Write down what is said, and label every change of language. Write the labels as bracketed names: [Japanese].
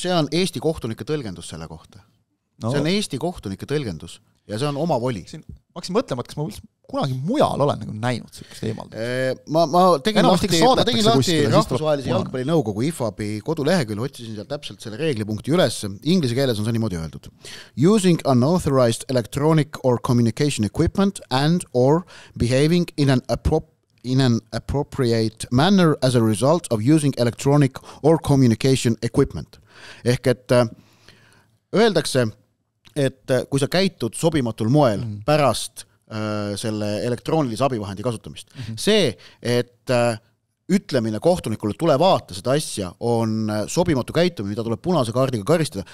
[Estonian] See on Eesti kohtunike tõlgendus selle kohta. No. See on Eesti kohtunike tõlgendus ja see on oma voli. Siin hakkasin mõtlema, et kas ma kunagi mujal olen nagu näinud sellest eemalt. Ma tegin lahti rahvusvahelise jalgpalli nõukogu IFAB-i kodulehekülje, otsisin seal täpselt selle reeglipunkti üles. Inglise keeles on see niimoodi öeldud. [English] Using unauthorized electronic or communication equipment and or behaving in an appropriate manner as a result of using electronic or communication equipment. [Estonian] Ehk et öeldakse, et kui sa käitud sobimatul moel pärast selle elektroonilise abivahendi kasutamist. Mm-hmm. See, et ütlemine kohtunikule tule vaata seda asja, on sobimatu käitumine, mida tuleb punase kaardiga karistada.